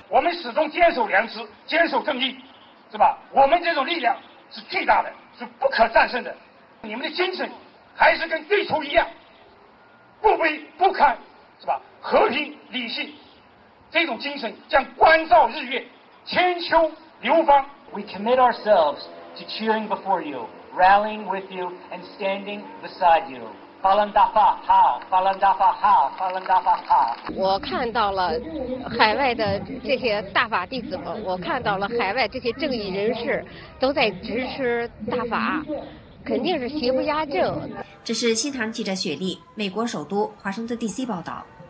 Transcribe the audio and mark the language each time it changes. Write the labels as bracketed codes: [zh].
[zh] 我们始终坚守良知，坚守正义，是吧？我们这种力量是巨大的，是不可战胜的。你们的精神还是跟最初一样，不卑不亢，是吧？和平理性，这种精神将关照日月，千秋流芳。 [en] We commit ourselves to cheering before you, rallying with you, and standing beside you. [zh] 法轮大法好，法轮大法好，法轮大法好。我看到了海外的这些大法弟子们，我看到了海外这些正义人士都在支持大法。肯定是邪不压正。这是新唐记者雪莉，美国首都华盛顿 DC 报道。